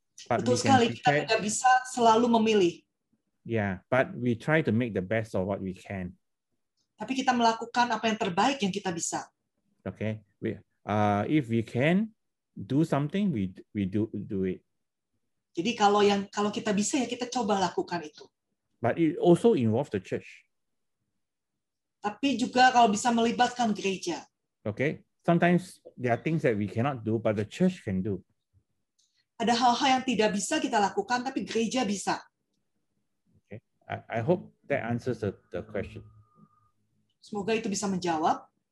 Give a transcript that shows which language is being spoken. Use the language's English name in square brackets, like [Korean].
[Indonesian] But betul sekali, kita tidak bisa selalu memilih. [English] Yeah, but we try to make the best of what we can. [Indonesian] Tapi kita melakukan apa yang terbaik yang kita bisa. [English] Okay. If we can do something, we do it. [Indonesian] Jadi kalau kita bisa ya kita coba lakukan itu. [English] But it also involves the church. [Indonesian] Tapi juga kalau bisa melibatkan gereja. [English] Okay. Sometimes there are things that we cannot do, but the church can do. [Indonesian] Ada hal-hal yang tidak bisa kita lakukan, tapi gereja bisa. [English] Okay. I hope that answers the question. [Indonesian] Semoga itu bisa menjawab.